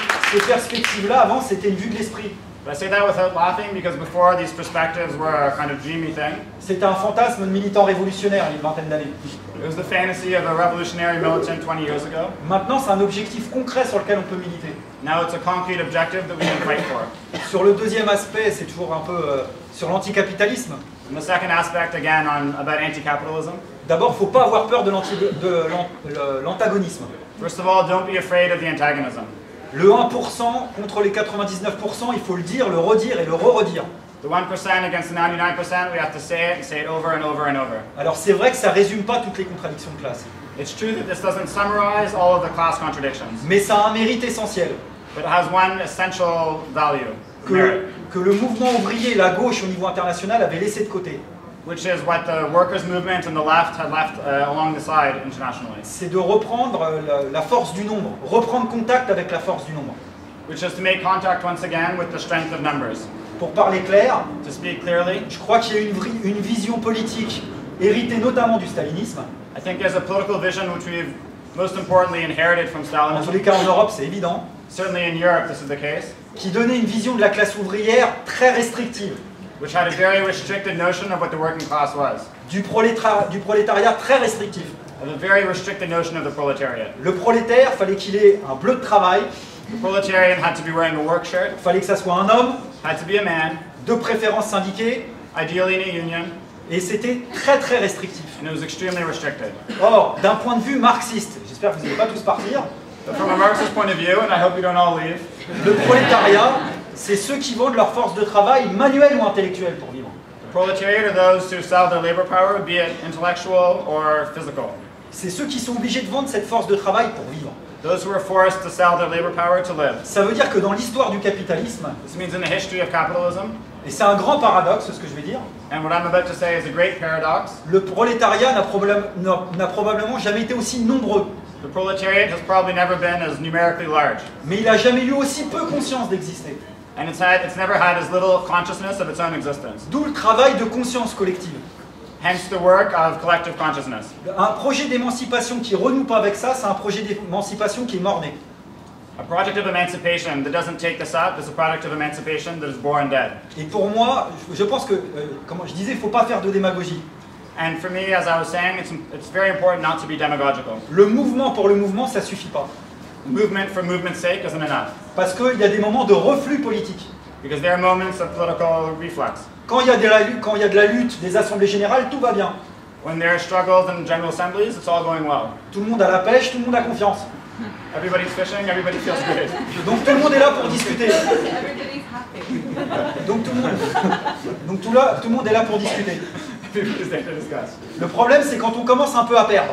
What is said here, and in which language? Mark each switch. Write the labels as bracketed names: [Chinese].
[French] Ces perspectives-là, avant, c'était une vue de l'esprit. [English] But I say that without laughing because before these perspectives were a kind of dreamy thing. [French] C'était un fantasme de militant révolutionnaire il y a une vingtaine d'années. [English] It was the fantasy of a revolutionary militant 20 years ago. [French] Maintenant, c'est un objectif concret sur lequel on peut militer. [English] Now it's a concrete objective that we can fight for. [French] Sur le deuxième aspect, c'est toujours un peu sur l'anticapitalisme. [English] And the second aspect, again, on about anti-capitalism. [French] D'abord, faut pas avoir peur de l'antagonisme. [English] First of all, don't be afraid of the antagonism. [French] Le 1% contre les 99%, il faut le dire, le redire et le re-redire. [English] The 1% against the 99%, we have to say it over and over and over. [French] Alors c'est vrai que ça résume pas toutes les contradictions de classe. [English] It's true that this doesn't summarize all of the class contradictions. [French] Mais ça a un mérite essentiel. [English] But it has one essential value. [French] Que le mouvement ouvrier, la gauche au niveau international, avait laissé de côté. [English] Which is what the workers' movement and the left had left along the side internationally. [French] C'est de reprendre la force du nombre, reprendre contact avec la force du nombre. [English] Which is to make contact once again with the strength of numbers. [French] Pour parler clair, [English] to speak clearly, [French] je crois qu'il y a une vision politique héritée notamment du stalinisme. [English] I think there's a political vision which we've most importantly inherited from Stalin. [French] En tous les cas, en Europe, c'est évident. [English] Certainly in Europe, this is the case. [French] Qui donnait une vision de la classe ouvrière très restrictive. [English] Which had a very restricted notion of what the working class was. [French] Du prolétariat très restrictif. [English] A very restricted notion of the proletariat. [French] Le prolétaire, fallait qu'il ait un bleu de travail. [English] The proletarian had to be wearing a work shirt. [French] Fallait que ça soit un homme. [English] Had to be a man. [French] De préférence syndiqué. [English] Ideally in a union. [French] Et c'était très très restrictif. [English] And it was extremely restricted. [French] Or, d'un point de vue marxiste, j'espère que vous n'allez pas tous partir. [English] But from a Marxist point of view, and I hope you don't all leave. [French] Le prolétariat, c'est ceux qui vendent leur force de travail manuelle ou intellectuelle pour vivre. [English] The proletariat are those who sell their labor power, be it intellectual or physical. [French] C'est ceux qui sont obligés de vendre cette force de travail pour vivre. [English] Those who are forced to sell their labor power to live. [French] Ça veut dire que dans l'histoire du capitalisme, [English] this means in the history of capitalism, [French] et c'est un grand paradoxe ce que je vais dire, [English] and what I'm about to say is a great paradox, [French] le prolétariat n'a probablement jamais été aussi nombreux. [English] The proletariat has probably never been as numerically large. [French] Mais il a jamais eu aussi peu conscience d'exister. [English] And it's never had as little consciousness of its own existence. [French] D'où le travail de conscience collective. [English] Hence the work of collective consciousness. [French] Un projet d'émancipation qui renoue pas avec ça, c'est un projet d'émancipation qui est mort-né. [English] A project of emancipation that doesn't take this up is a project of emancipation that is born dead. [French] Et pour moi, je pense que, comme je disais, faut pas faire de démagogie. [English] And for me, as I was saying, it's very important not to be demagogical. [French] Le mouvement pour le mouvement, ça suffit pas. [English] Movement for movement's sake isn't enough. [French] Parce qu'il y a des moments de reflux politique. [English] Because there are moments of political reflux. [French] Quand il y a de la lutte, des assemblées générales, tout va bien. [English] When there are struggles in general assemblies, it's all going well. [French] Tout le monde a la pêche, tout le monde a confiance. [English] Everybody's fishing, everybody feels good. [French] Donc tout le monde est là pour discuter. [English] Everybody's happy. [French] Donc tout le monde est là pour discuter. Le problème, c'est quand on commence un peu à perdre.